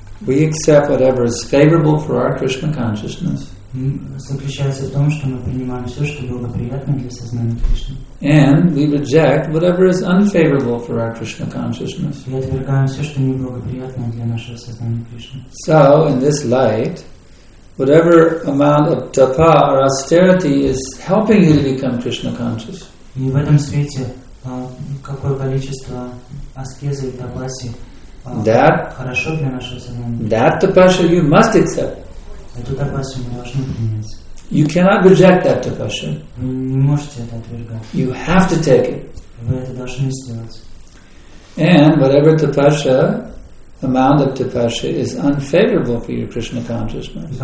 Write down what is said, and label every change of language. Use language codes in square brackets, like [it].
[en] We accept whatever is favorable for our Krishna consciousness. [ru] Заключается в том, что мы принимаем все, что было приятно для сознания Кришны. [en] And we reject whatever is unfavorable for our Krishna consciousness. [ru] И отвергаем все, что неблагоприятно для нашего сознания Кришны. [en] So, in this light, whatever amount of tapa or austerity is helping you to become Krishna conscious. [ru] И в этом свете, какое количество аскезы и тапаси хорошо для нашего сознания Кришны. [en] That tapasya you must accept. [ru] Эту тапасу мы должны принять. [en] You cannot reject that tapasya. [ru] Вы не можете это отвергать. [en] You have to take it. [ru] Вы это должны сделать. [en] And whatever tapasya, amount of tapasya, is unfavorable for your Krishna consciousness.